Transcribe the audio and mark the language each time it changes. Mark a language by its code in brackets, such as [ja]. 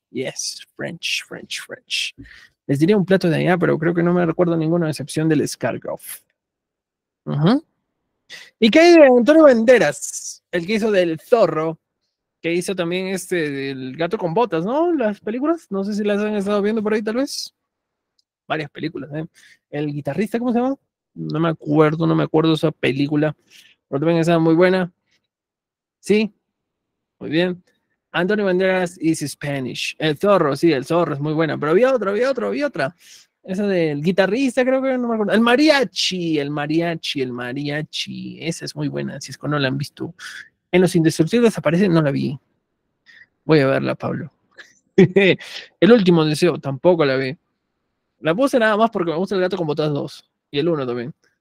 [en] Yes, French, French, French. [es] Les diría un plato de allá, pero creo que no me recuerdo ninguna excepción del escargot. ¿Y qué hay de Antonio Banderas? El que hizo del zorro, que hizo también del gato con botas, ¿no? Las películas, no sé si las han estado viendo por ahí tal vez. Varias películas, ¿eh? El guitarrista, ¿cómo se llama? No me acuerdo esa película, pero también esa muy buena. Sí, muy bien. [en] Antonio Banderas is Spanish. [es] El zorro, sí, el zorro es muy buena, pero había otra. Esa del guitarrista, creo que no me acuerdo. El mariachi. Esa es muy buena, si es que no la han visto. En Los Indestructibles aparece, no la vi. Voy a verla, Pablo. El Último Deseo, tampoco la vi. La puse nada más porque me gusta El Gato con Botas 2. Y el 1 también.